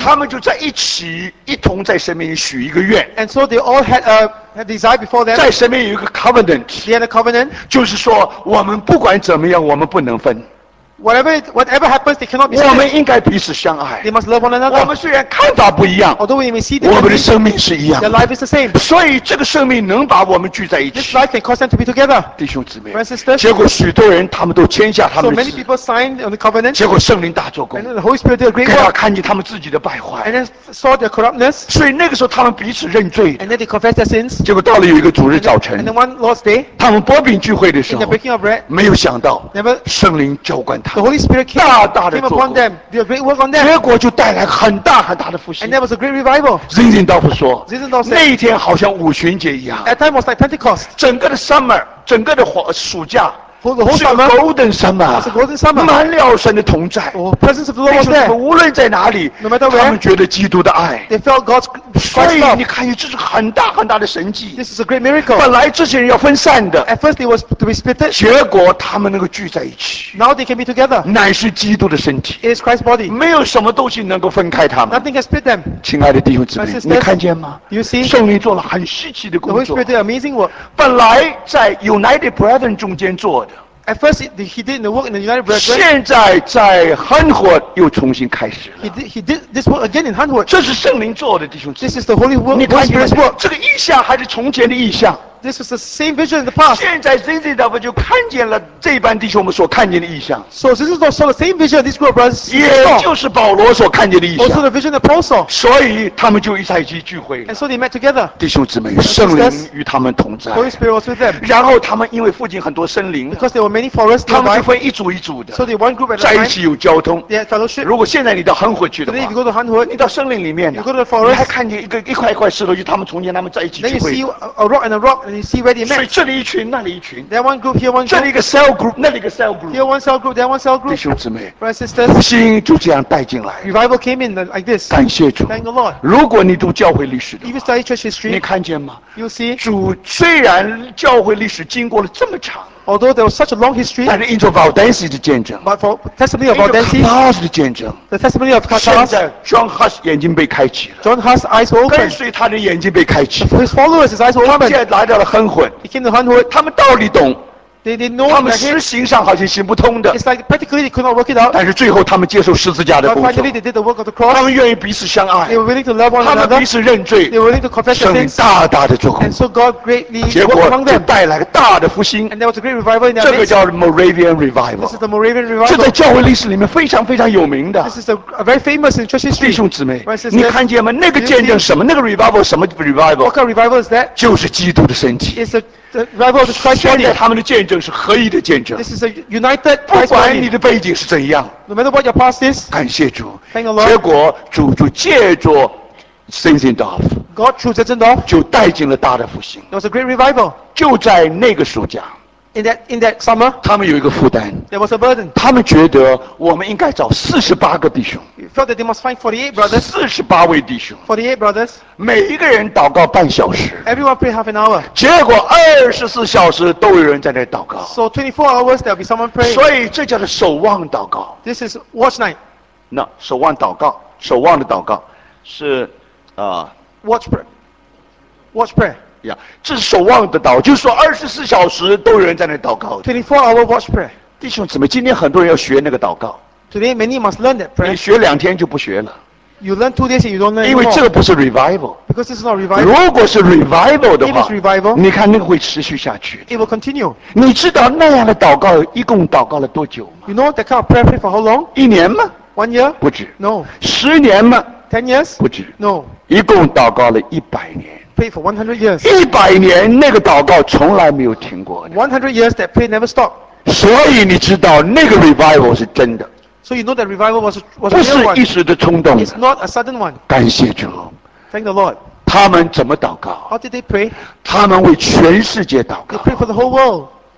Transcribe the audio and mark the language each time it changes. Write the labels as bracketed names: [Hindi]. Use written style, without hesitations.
[Chinese] 他们就在一起一同在神面前许一个愿。 [English] And so they all had a desire before them. [Chinese] 在神面前有一个 covenant. [English] They had a covenant. [Chinese] 就是说我们不管怎么样，我们不能分。 [English] Whatever happens, they cannot be separate. [Chinese] 我们应该彼此相爱。 [English] They must love one another. [Chinese] 我们虽然看法不一样 [English] ，although we may see different, [Chinese] 我们的生命是一样。 [English] Their life is the same. [Chinese] 所以这个生命能把我们聚在一起。 [English] This life can cause them to be together. [Chinese] 弟兄姊妹 [English] ，brothers and sisters. [Chinese] 结果许多人他们都签下他们的字。 [English] So many people signed on the covenant. [Chinese] 结果圣灵大做工。 [English] And the Holy Spirit did a great work. [Chinese] 给他看见他们自己的败坏。 [English] And then saw their corruptness. [Chinese] 所以那个时候他们彼此认罪。 [English] And then they confessed their sins. [Chinese] 结果到了有一个主日早晨。 [English] And then one Lord's day. [Chinese] 他们擘饼聚会的时候。 [English] In the breaking of bread. [Chinese] 没有想到。 [English] Never. [Chinese] 圣灵浇灌他。 [English] The Holy Spirit came upon them. Did a great work on them. [Chinese] 结果就带来很大很大的复兴。 [English] And there was a great revival. [Chinese] Zinzendorf 说 [English] ，Zinzendorf [Chinese] 那一天好像五旬节一样。 [English] At time was like Pentecost. [Chinese] 整个的 summer， 整个的暑假。 [English] The whole summer, was a golden summer. [Chinese] 满了神的同在。 [English] Oh, presence of the Lord was there. [Chinese] 无论在哪里 [English] ，no matter where, [Chinese] 他们觉得基督的爱。 [English] They felt God's presence. [Chinese] 所以你看，这是很大很大的神迹。 [English] This is a great miracle. [Chinese] 本来这些人要分散的。 [English] At first, they was to be split. [Chinese] 结果他们能够聚在一起。 [English] Now they can be together. [Chinese] 乃是基督的身体。 [English] It is Christ's body. [Chinese] 没有什么东西能够分开他们。 [English] Nothing can split them. [Chinese] 亲爱的弟兄姊妹，你看见吗 [English] ？You see? [Chinese] 圣灵做了很稀奇的工作。 [English] The Holy Spirit did amazing work. [Chinese] 本来在 United Brethren 中间做。 [English] At first, he did the work in the United Brethren. [Chinese] 现在在 Hanhut 又重新开始了。 [English] He did this work again in Hanhut. [Chinese] 这是圣灵做的，弟兄。 [English] This is the Holy Work. [Chinese] 你看你们这个意象还是从前的意象。 [English] This is the same vision in the past. [Chinese] 现在 Zinzendorf 就看见了这班弟兄们所看见的意象。 [English] So Zinzendorf saw the same vision of this group of brothers. [Chinese] 也就是保罗所看见的意象。 [English] Also the vision of Paul saw. [Chinese] 所以他们就在一起聚会。 [English] And so they met together. [Chinese] 弟兄姊妹，圣灵与他们同在。 [English] Holy Spirit was with them. [Chinese] 然后他们因为附近很多森林。 [English] Because there were many forests nearby. [Chinese] 他们就分一组一组的。 [English] So they one group at a time. [Chinese] 在一起有交通。 [English] They had fellowship. [Chinese] 如果现在你到亨霍去的话。 [English] Then if you go to Hanhut. [Chinese] 你到森林里面。 [English] You go to the forest. [Chinese] 你还看见一块一块石头，就他们从前他们在一起聚会。 [English] Then you see a rock and a rock. And you see where they met. [Chinese] 所以这里一群，那里一群。 [English] There one group, here one group. [Chinese] 这里一个 cell group, 那里一个 cell group. [English] Here one cell group, there one cell group. [Chinese] 弟兄姊妹 [English] ，brothers and sisters. [Chinese] 复兴就这样带进来。 [English] Revival came in like this. [Chinese] 感谢主。 [English] Thank the Lord. [Chinese] 如果你读教会历史的话 [English] ，if you study church history, [Chinese] 你看见吗 [English] ？You see. [Chinese] 主虽然教会历史经过了这么长。 [English] Although there was such a long history, [Chinese] 但是因着 Valdensi 的见证 [English] ，But for testimony of Valdensi， [Chinese] 因着 Charles 的见证 [English] ，The testimony of Charles， [Chinese] 现在 John Huss 眼睛被开启了 [English] ，John Huss eyes opened， [Chinese] 跟随他的眼睛被开启 [English] ，His followers his eyes opened， [Chinese] 他们现在来到了亨混 [English] ，He came to 亨混， [Chinese] 他们道理懂 [English] ，They know， [Chinese] 他们实行上好像行不通的 [English] ，It's like practically they could not work it out， [Chinese] 但是最后他们接受十字架的工作 [English] ，But finally they did the work of the cross， [Chinese] 他们愿意彼此相爱 [English] ，They were willing to love one another， [Chinese] 他们彼此认罪 [English] ，They were willing to confess their sins， [Chinese] 大大的祝福 [English] ，And so God greatly [Chinese] 结果就带来了大的复兴 [English] ，And there was a great revival in their midst， [Chinese] 这个叫 Moravian revival， [English] This is the Moravian revival， [Chinese] 这在教会历史里面非常非常有名的 [English] ，This is a very famous in church history， [Chinese] 弟兄姊妹，你看见吗？那个见证什么？那个 revival 什么 revival？ [English] What kind of revival is that？ [Chinese] 就是基督的身体 [English] ，It's The rival of Christ's body. [Chinese] 他们的见证是合一的见证。 [English] This is a united. [Chinese] 不管你的背景是怎样。 [English] No matter what your past is. [Chinese] 感谢主。 [English] Thank the Lord. [Chinese] 结果主借着 Zinzendorf. [English] God through Zinzendorf. [Chinese] 就带进了大的复兴。 [English] It was a great revival. [Chinese] 就在那个暑假。 [English] In that summer. [Chinese] 他们有一个负担。 [English] There was a burden. [Chinese] 他们觉得我们应该找48个弟兄。 [English] You felt that they must find 48 brothers. [Chinese] 48位弟兄。 [English] 48 brothers. [Chinese] 每一个人祷告半小时 [English] ，Everyone pray half an hour。 [Chinese] 结果24小时都有人在那祷告 [English] ，So 24 hours there'll be someone praying。 [Chinese] 所以这叫做守望祷告 [English] ，This is watch night。 [Chinese] 那守望祷告，守望的祷告是啊、 [English] ，Watch prayer，Watch prayer。 [Chinese] 呀，这是守望的祷告，就是说24小时都有人在那祷告 [English] ，24 hour watch prayer。 [Chinese] 弟兄姊妹，今天很多人要学那个祷告 [English] ，Today many must learn that prayer。 [Chinese] 你学两天就不学了。 [English] You learn 2 days and you don't learn anymore. [Chinese] 因为这个不是 revival. [English] Because this is not revival. [Chinese] 如果是 revival 的话， [English] revival, [Chinese] 你看那个会持续下去。 [English] It will continue. [Chinese] 你知道那样的祷告一共祷告了多久吗 [English] ？You know that kind of prayer for how long? [Chinese] 一年吗 [English] ？One year? [Chinese] 不止。 [English] No. [Chinese] 十年吗 [English] ？10 years? [Chinese] 不止。 [English] No. [Chinese] 一共祷告了100年。 [English] Pray for 100 years. [Chinese] 100年那个祷告从来没有停过。 [English] 100 years that prayer never stopped. [Chinese] 所以你知道那个 revival 是真的。 [English] So you know that revival was a real one. [Chinese] 不是一时的冲动。 [English] It's not a sudden one. [Chinese] 感谢主。 [English] Thank the Lord. [Chinese] 他们怎么祷告 [English] ？How did they pray? [Chinese] 他们为全世界祷告。 [English] They pray for the whole world.